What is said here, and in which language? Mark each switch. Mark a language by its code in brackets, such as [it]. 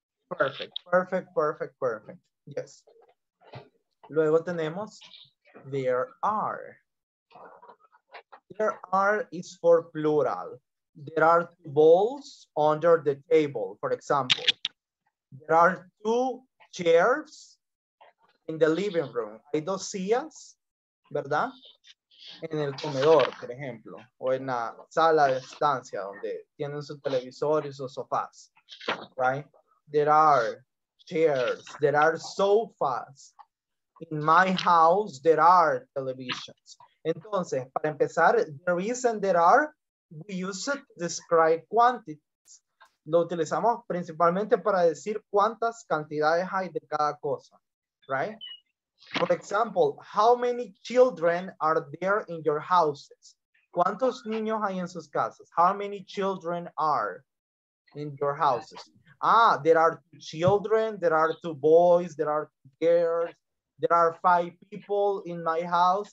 [en] Perfect, perfect, perfect, perfect. Yes. [es] Luego tenemos [en] there are. There are is for plural. There are two balls under the table, for example. There are two chairs in the living room. [es] Hay dos sillas, ¿verdad? En el comedor, por ejemplo, o en la sala de estancia donde tienen su televisor y sus sofás, right? [en] There are chairs, there are sofas. In my house, there are televisions. [es] Entonces, para empezar, [en] the reason there are, we use it to describe quantities. [es] Lo utilizamos principalmente para decir cuántas cantidades hay de cada cosa, right? [en] For example, how many children are there in your houses? [es] ¿Cuántos niños hay en sus casas? [en] How many children are in your houses? Ah, there are two children, there are two boys, there are two girls, there are five people in my house.